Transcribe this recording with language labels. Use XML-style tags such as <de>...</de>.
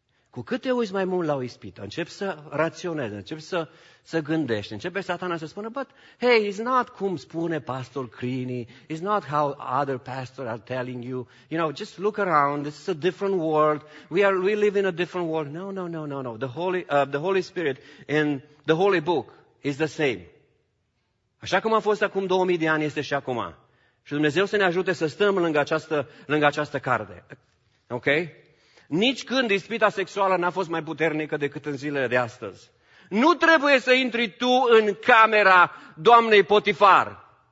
<ro>Cu cât te uiți mai mult la o ispită, începi să raționezi, începi să gândești, începe satana să spună,</ro> <en>but hey, it's not</en> <ro>cum spune pastor Crini,</ro> <en>it's not how other pastors are telling you, you know, just look around, this is a different world, we live in a different world. No. The Holy Spirit in the Holy Book is the same.</en> <ro>Așa cum a fost acum 2000 de ani, este și acum. Și Dumnezeu să ne ajute să stăm lângă această carte. Ok? Nici când ispita sexuală n-a fost mai puternică decât în zilele de astăzi. Nu trebuie să intri tu în camera doamnei Potifar.</ro>